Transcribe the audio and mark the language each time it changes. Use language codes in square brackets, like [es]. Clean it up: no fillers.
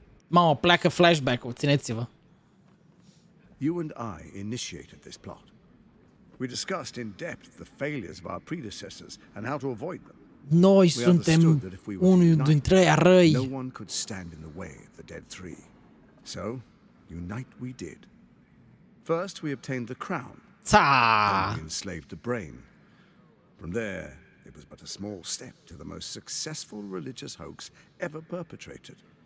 [ro] Mamă, pleacă flashback-ul, țineți-vă. [en] You and I initiated this plot. We discussed in depth the failures of our predecessors and how to avoid them. [ro] Noi suntem unul dintre aia răi. [en] No one could stand in the way of the dead three. So, unite we did. First, we obtained the crown. Ta! We enslaved the brain. From there, it was but a small step to the most successful religious hoax ever perpetrated.